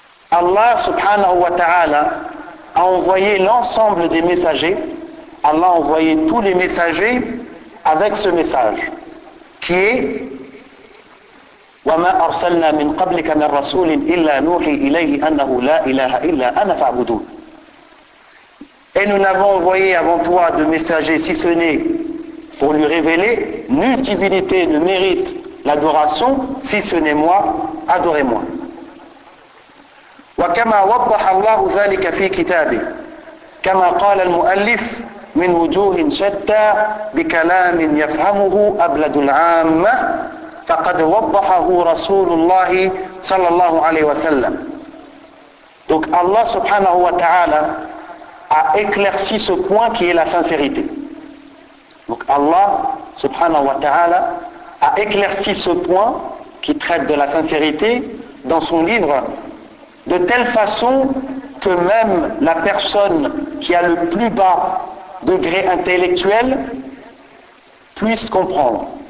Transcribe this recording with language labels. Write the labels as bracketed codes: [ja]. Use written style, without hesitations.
[fr] Allah subhanahu wa ta'ala a envoyé l'ensemble des messagers. Allah a envoyé tous les messagers avec ce message qui est [ar] وما أرسلنا من قبلك من رسول إلا نوحي إليه أنه لا إله إلا أنا فاعبدون. [fr] Et nous n'avons envoyé avant toi de messager, si ce n'est pour lui révéler, nulle divinité ne mérite l'adoration, si ce n'est moi, adorez-moi. [ar] وَكَمَا وَضَّحَ اللَّهُ ذَلِكَ فِي كِتَابِهِ كَمَا قَالَ الْمُؤَلِّفِ من وجوه شتى بكلام يفهمه أبلد العامة فقد وضحه رسول الله صلى الله عليه وسلم. [fr] Donc Allah subhanahu wa ta'ala a éclairci ce point qui est la sincérité. Donc Allah subhanahu wa ta'ala a éclairci ce point qui traite de la sincérité dans son livre de telle façon que même la personne qui a le plus bas degré intellectuel puisse comprendre.